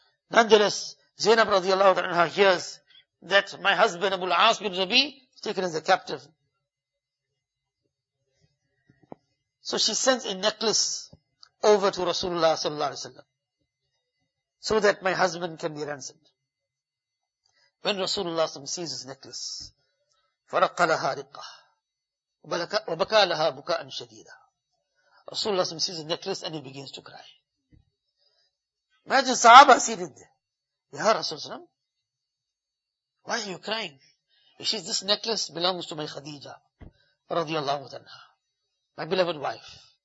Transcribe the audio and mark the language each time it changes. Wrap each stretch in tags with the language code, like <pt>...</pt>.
<en>Nonetheless, Zainab radiallahu anha hears that my husband Abu al-As bin Rabi is taken as a captive. So she sends a necklace over to Rasulullah sallallahu alayhi wa sallam so that my husband can be ransomed. When Rasulullah sees his necklace,</en> <ar>فَرَقَّ لَهَا رِقَّهُ وَبَكَى لَهَا بُكَاءً شَدِيدًا.</ar> <en>Rasulullah sees his necklace and he begins to cry. Imagine sahaba seated there. Ya Rasulullah, why are you crying? She says, this necklace belongs to my Khadija, radiallahu anha, my beloved wife.</en>